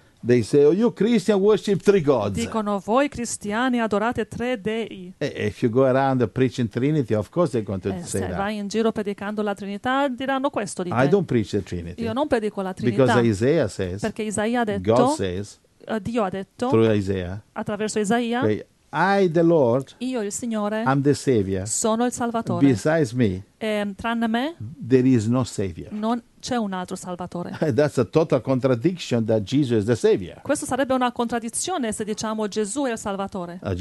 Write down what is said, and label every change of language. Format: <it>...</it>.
<en>They say, "Oh, you Christian worship three gods."</en> <it>Dicono, "Voi cristiani adorate tre dei."</it> <en>If you go around preaching Trinity, of course they're going to say that.</en> <it>Se vai in giro predicando la Trinità, diranno questo di te.</it> <en>I don't preach the Trinity.</en> <it>Io non predico la Trinità.</it> <en>Because Isaiah says.</en> <it>Perché Isaia ha detto.</it> <en>God says.</en> <it>Dio ha detto.</it> <en>Through Isaiah.</en> <it>Attraverso Isaia.</it> <en>I, the Lord,</en> <it>io il Signore,</it> <en>I'm the Savior,</en> <it>sono il Salvatore.</it> <en>Besides me,</en> <it>tranne me,</it> <en>there is no Savior.</en> <it>Non c'è un altro Salvatore.</it> <en>That's a total contradiction that Jesus is the Savior.</en> <it>Questo sarebbe una contraddizione se diciamo Gesù è il Salvatore.</it>